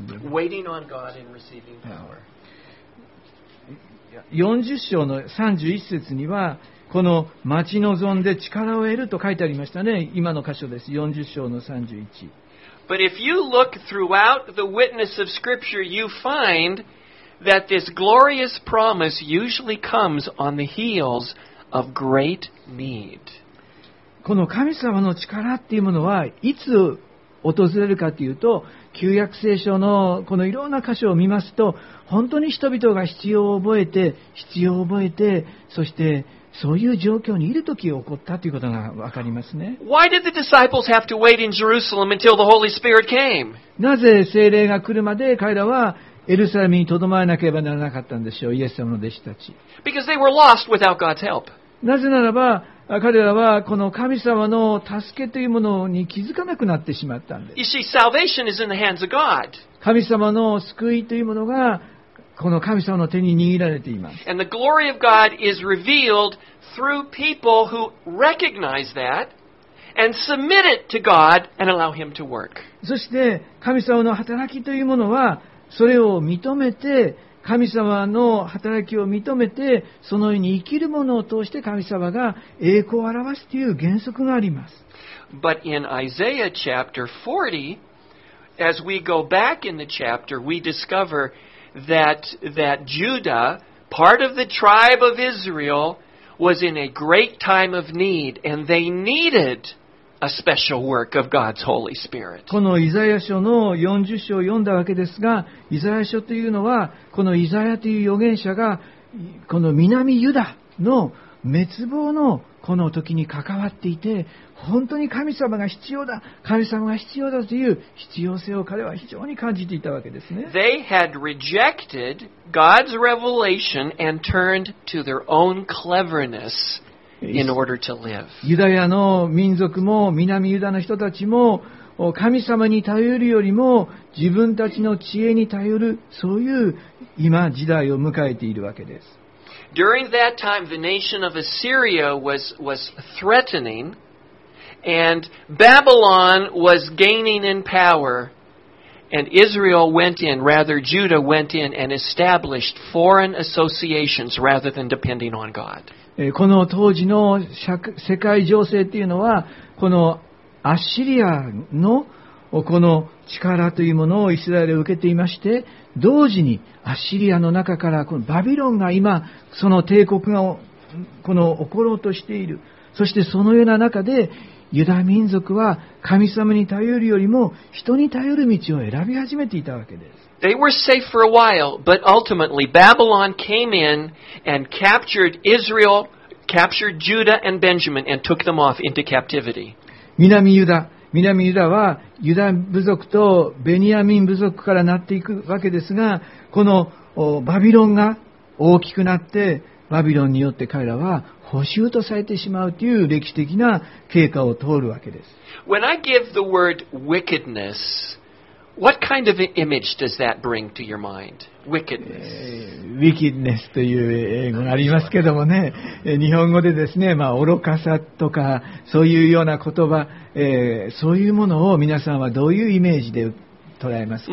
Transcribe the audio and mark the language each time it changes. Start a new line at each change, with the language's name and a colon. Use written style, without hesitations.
English: waiting on God and receiving power.
Japanese: 40章の31節にはこの待ち望んで力を得ると書いてありましたね。今の箇所です。40章の31。
English: But if you look throughout the witness of Scripture, you find that this glorious promise usually comes on the heels of great need.
Japanese: この神様の力っていうものはいつ訪れるかというと、旧約聖書のこのいろんな箇所を見ますと、本当に人々が必要を覚えて、必要を覚えて、そしてそういう状況にいるときに起こったということがわかりますね。
English: Why did the disciples have to wait in Jerusalem until the Holy Spirit came?
Japanese: なぜ聖霊が来るまで彼らはエルサレムにとどまらなければならなかったんでしょう、イエス様の弟子たち。
English: Because they were lost without God's help.
Japanese: なぜならば彼らはこの神様の助けというものに気づかなくなってしまったんです。
English: You see, salvation is in the hands of God.
Japanese: 神様の救いというものがこの神様の手に握られています。
English: And the glory of God is revealed through people who recognize that and submit it to God and allow Him to work.
Japanese: そして神様の働きというものはそれを認めて、神様の働きを認めて、そのように生きるものを通して神様が栄光を表すという原則があります。
English: But in Isaiah chapter 40, as we go back in the chapter, we discover that Judah, part of the tribe of Israel, was in a great time of need, and they needed a special work of God's Holy Spirit.
Japanese: このイザヤ書の40章を読んだわけですが、イザヤ書というのはこのイザヤという預言者がこの南ユダの滅亡のこの時に関わっていて、本当に神様が必要だ、神様が必要だという必要性を彼は非常に感じていたわけですね。
English: They had rejected God's revelation and turned to their own cleverness in order to live.
Japanese: ユダヤの民族も南ユダの人たちも神様に頼るよりも自分たちの知恵に頼る、そういう今時代を迎えているわけです。
English: During that time, the nation of Assyria was threatening, and Babylon was gaining in power, and Israel went in, rather Judah went in and established foreign associations rather than depending on God.
Japanese: この当時の世界情勢というのは、このアッシリアのこの力というものをイスラエルは受けていまして、同時にアッシリアの中からこのバビロンが今その帝国がこの起ころうとしている、そしてそのような中でユダ民族は神様に頼るよりも人に頼る道を選び始めていたわけです。
English: They were safe for a while, but ultimately Babylon came in and captured Israel, captured Judah and Benjamin and took them off into captivity.
Japanese: 南ユダはユダ部族とベニヤミン部族からなっていくわけですが、このバビロンが大きくなって、バビロンによって彼らは捕囚とされてしまうという歴史的な経過を通るわけです。
English: When I give the word wickedness, what kind of image does that bring to your mind? Wickedness.
Japanese: Wickedness という英語がありますけどもね、日本語でですね、まあ、愚かさとかそういうような言葉、そういうものを皆さんはどういうイメージで捉えますか？